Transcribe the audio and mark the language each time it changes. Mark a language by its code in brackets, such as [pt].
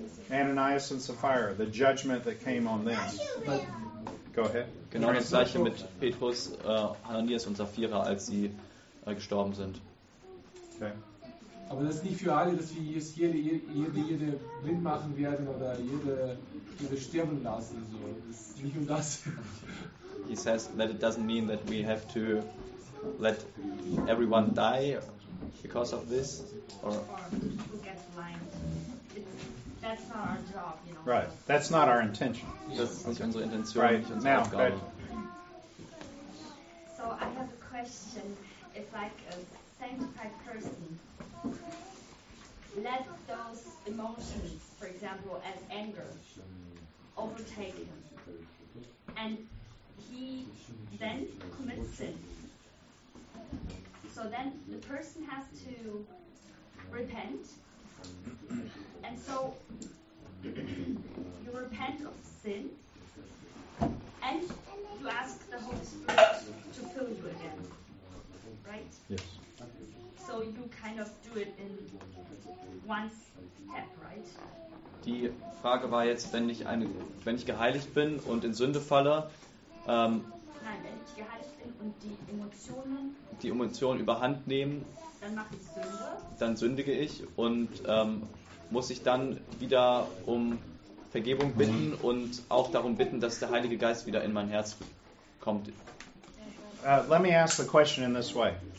[en] Ananias and Sapphira, the judgment that came on them. Go ahead. [de] Genau das gleiche mit Petrus, Ananias und Sapphira, als sie gestorben sind. [en] Okay. [de] Aber das ist nicht für alle, dass wir jetzt jede blind machen werden oder jede sterben lassen. So. Das ist nicht um das. [en] He says that it doesn't mean that we have to let everyone die because of this. Or who gets blind. That's not our job, you know. Right. That's not our intention. [de] Das ist nicht unsere Intention. [en] Right. [de] Nicht unsere Aufgabe. [en] Now, right. So I have a question. It's like a sanctified person. Let those emotions, for example, as anger, overtake him. And he then commits sin. So then the person has to repent. And so you repent of sin, and you ask the Holy Spirit to fill you again. Right? Yes. So you kind of do it in one step, right? [de] Die Frage war jetzt, wenn ich geheiligt bin und in Sünde falle. Nein, wenn ich geheiligt bin und die Emotionen überhand nehmen, dann mache ich Sünde. Dann sündige ich und muss ich dann wieder um Vergebung bitten und auch darum bitten, dass der Heilige Geist wieder in mein Herz kommt. [en] Let me ask the question in this way.